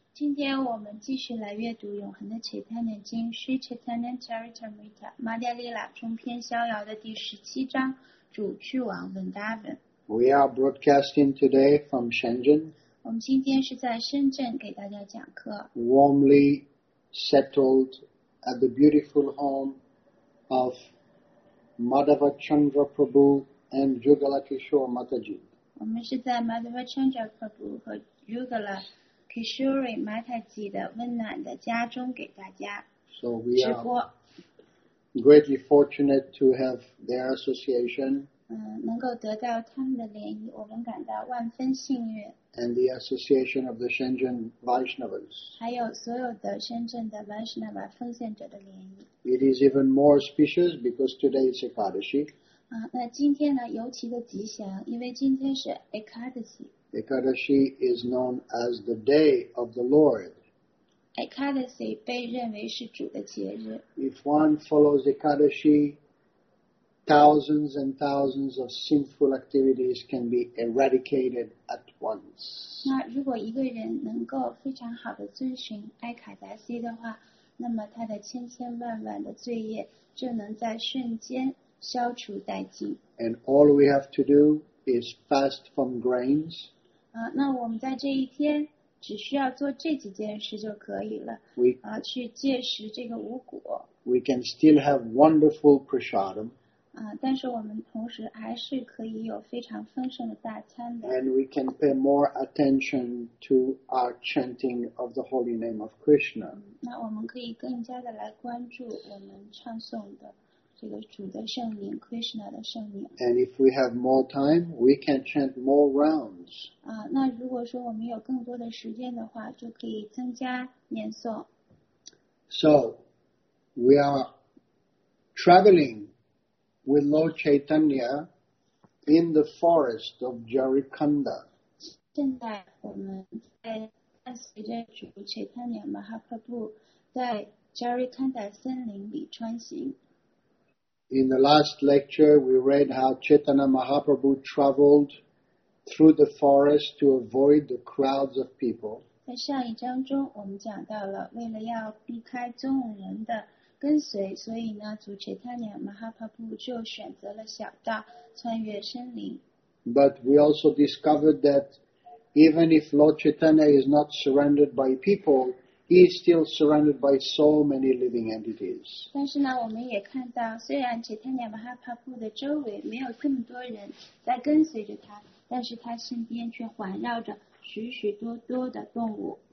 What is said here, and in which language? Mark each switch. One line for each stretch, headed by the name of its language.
Chinese: 今天我们继续来阅读《永恒的切坦念经》Sri Chaitanya Charitamrita Madhya Lila 中篇逍遥的第十七章，主去往 Vrindavan.
English: We are broadcasting today from Shenzhen.
Chinese: 我们今天是在深圳给大家讲课。
English: Warmly settled at the beautiful home of Madhava Chandra Prabhu and Jugala Kishore Mataji.
Chinese: 我们是在 Madhava Chandra Prabhu 和 Jugala Kishore Mataji 的温暖的家中给大家直播。
English: So we are greatly fortunate to have their association.
Chinese: 能够得到他们的联谊，我们感到万分幸运。
English: And the association of the Shenzhen Vaishnavas.
Chinese: 还有所有的深圳的 Vaishnava 奉献者的联谊。
English: It is even more auspicious because today is Ekadashi.
Chinese: 那今天呢，尤其的吉祥，因为今天是 Ekadashi.
English: Ekadashi is known as the Day of the Lord.
Chinese: Ekadashi 被认为是主的节日。
English: If one follows Ekadashi, thousands and thousands of sinful activities can be eradicated at once.
Chinese: 那如果一个人能够非常好的遵循艾卡达西的话，那么他的千千万万的罪业就能在瞬间消除殆尽。
English: And all we have to do is fast from grains.
Chinese: 那我们在这一天只需要做这几件事就可以了。去戒食这个五谷。
English: We can still have wonderful prasadam.
Chinese: 但是我们同时还是可以有非常丰盛的大餐的。
English: And we can pay more attention to our chanting of the holy name of Krishna.
Chinese: 那我们可以更加的来关注我们唱诵的这个主的圣名 Krishna 的圣名。
English: And if we have more time, we can chant more rounds.
Chinese: 那如果说我们有更多的时间的话，就可以增加念诵。
English: So, we are traveling with Lord Chaitanya in the forest of Jarikanda.
Chinese: 现在我们在伴随着主 Chaitanya Mahaprabhu 在 Jarikanda 森林里穿行。
English: In the last lecture, we read how Chaitanya Mahaprabhu traveled through the forest to avoid the crowds of people.
Chinese: 在上一章中，我们讲到了为了要避开众人的跟随，所以呢，主切塔尼亚马哈帕布就选择了小道，穿越森林。
English: But we also discovered that even if Lord Chaitanya is not surrounded by people, he is still surrounded by so many living entities.
Chinese: 但是呢，我们也看到，虽然切塔尼亚马哈帕布的周围没有这么多人在跟随着他，但是他身边却环绕着许许多多的动物。